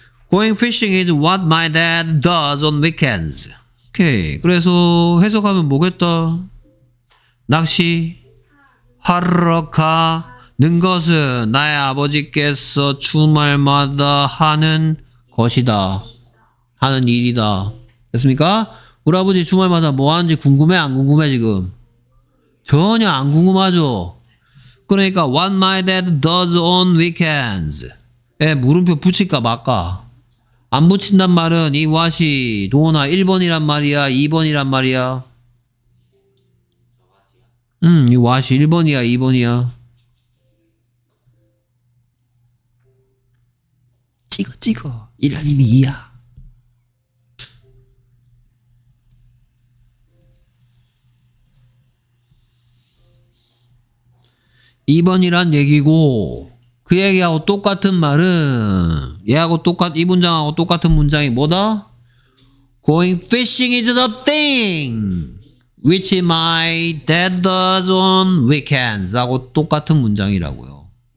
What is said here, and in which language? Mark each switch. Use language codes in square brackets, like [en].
[en] Going fishing is what my dad does on weekends. [ko] 오케이. 그래서 해석하면 뭐겠다? 낚시 하러 가는 것은 나의 아버지께서 주말마다 하는 것이다. 하는 일이다. 됐습니까? 우리 아버지 주말마다 뭐 하는지 궁금해? 안 궁금해 지금? 전혀 안 궁금하죠? 그러니까 [en] what my dad does on weekends [ko] 에 물음표 붙일까 말까? 안 붙인단 말은 이 what이 도어나 1번이란 말이야? 2번이란 말이야? 이 와시 1번이야 2번이야 찍어 찍어 1 아니면 2야 2번이란 얘기고 그 얘기하고 똑같은 말은 얘하고 똑같 이 문장하고 똑같은 문장이 뭐다? [en] Going fishing is the thing which my dad does on weekends [ko] 하고 똑같은 문장이라고요.